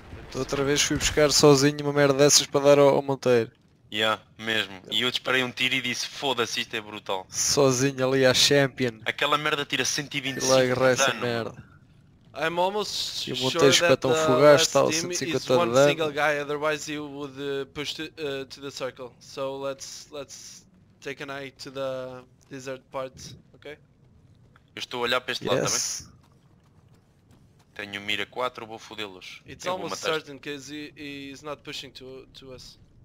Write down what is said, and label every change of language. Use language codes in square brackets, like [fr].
[pt] Tu outra vez fui buscar sozinho uma merda dessas para dar ao Monteiro. Mesmo. E eu disparei um tiro e disse, foda-se, isto é brutal. Sozinho ali à Champion. Aquela merda tira 125 de dano. Essa merda. [en] I'm almost sure that the last team is one single guy, otherwise he would push to the circle. So let's take an eye to the desert part, ok? [pt] Eu estou a olhar para este lado também. Tenho mira 4, vou fodê-los. [en] It's almost certain, because he's not pushing to us.